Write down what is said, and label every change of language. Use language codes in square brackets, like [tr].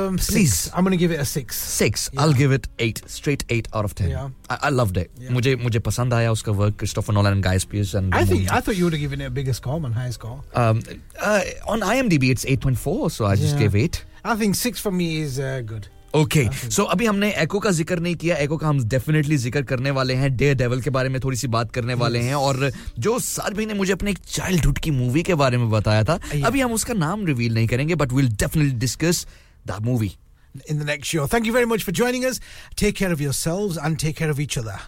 [en] Please. Six. I'm going to give it a 6. 6. Yeah. I'll give it 8. Straight 8 out of 10. Yeah. I loved it. Yeah. [hi] Mujhe pasand aaya uska work, [en] Christopher Nolan and Guy Pearce. And I thought you would have given it a bigger score, man, higher score. On IMDb, it's 8.4, so I just gave 8. I think 6 for me is good. [hi] Okay, so अभी हमने एको का जिक्र नहीं किया, एको का हम definitely जिक्र करने वाले हैं, डेयर डेविल के बारे में थोड़ी सी बात करने वाले हैं, और जो सर भी ने मुझे अपने एक चाइल्डहुड की मूवी के बारे में बताया था, अभी हम उसका नाम रिवील नहीं करेंगे, [en] but we'll definitely discuss that movie. In the next show. Thank you very much for joining us. Take care of yourselves and take care of each other.